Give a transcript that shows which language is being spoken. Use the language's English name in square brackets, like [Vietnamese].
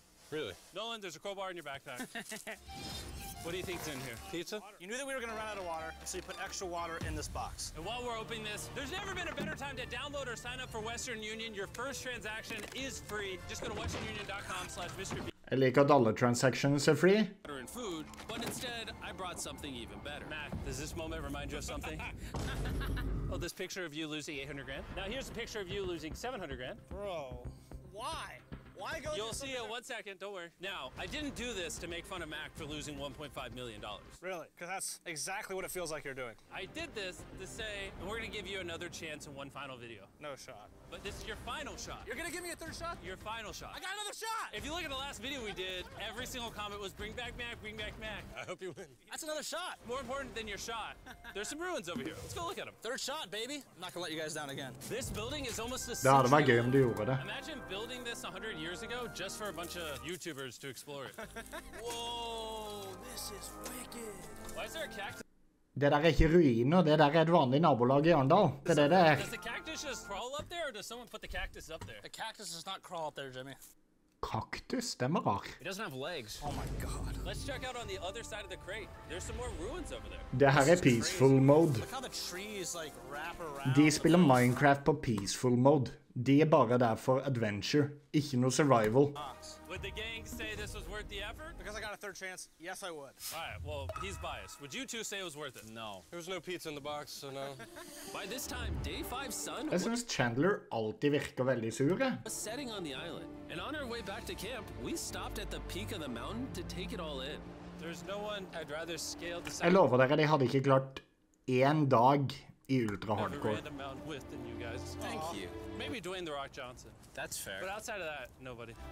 [English] Really? [Norwegian] Nolan, det er en crowbar i din backpack. Hva tror du det er her? [English] Pizza? [Norwegian] Du visste at vi skulle runne ut av vann, så du putte ekstra vann i denne boksen. Og mens vi åpner dette, det har aldri vært en bedre tid til å downloade eller signe opp for Western Union. Din første transaksjon fri. Just gå til westernunion.com/MrBeast. Jeg liker at alle transactions free. [English] Butter and food, but instead, I brought something even better. Mac, does this moment remind you of something? Oh, this picture of you losing 800 grand? Now here's a picture of you losing 700 grand. Bro, why? Why go? You'll see it 1 second, don't worry. Now, I didn't do this to make fun of Mac for losing $1.5 million. Really? Because that's exactly what it feels like you're doing. I did this to say, and we're gonna give you another chance in one final video. No shot. But this is your final shot. You're gonna give me a third shot? Your final shot. I got another shot! If you look at the last video we did, every single comment was bring back Mac, bring back Mac. I hope you win. That's another shot. More important than your shot, there's some ruins over here. Let's go look at them. Third shot, baby. I'm not gonna let you guys down again. This building is almost the same. [Norwegian] Det hadde vært gøy om du gjorde det. [English] Imagine building this 100 years ago just for a bunch of YouTubers to explore it. Whoa, this is wicked. Why is there a cactus? [Norwegian] Det der ikke ruiner, det der et vanlig nabolag i Arndal. Det det der. [English] Does the cactus just crawl up there, or does someone put the cactus up there? The cactus does not crawl up there, Jimmy. [Norwegian] Kaktus? Stemmer rart. [English] It doesn't have legs. Oh my god. Let's check out on the other side of the crate. There's some more ruins over there. [Norwegian] Det her peaceful mode. [English] Look how the trees like wrap around. [Norwegian] De spiller Minecraft på peaceful mode. De bare der for adventure. Ikke noe survival. [English] Would the gang say this was worth the effort? Because I got a third chance, yes I would. Alright, well, he's biased. Would you two say it was worth it? No. There was no pizza in the box, so no. By this time, day five sun... [Norwegian] Jeg synes Chandler alltid virker veldig sure. [English] ...was setting on the island. And on our way back to camp, we stopped at the peak of the mountain to take it all in. There's no one I'd rather scale the... [Norwegian] Jeg lover dere, de hadde ikke klart én dag i ultra hardcore. [English] ...random mountain with than you guys. Thank you. Maybe Dwayne The Rock Johnson. That's fair. But outside of that, nobody.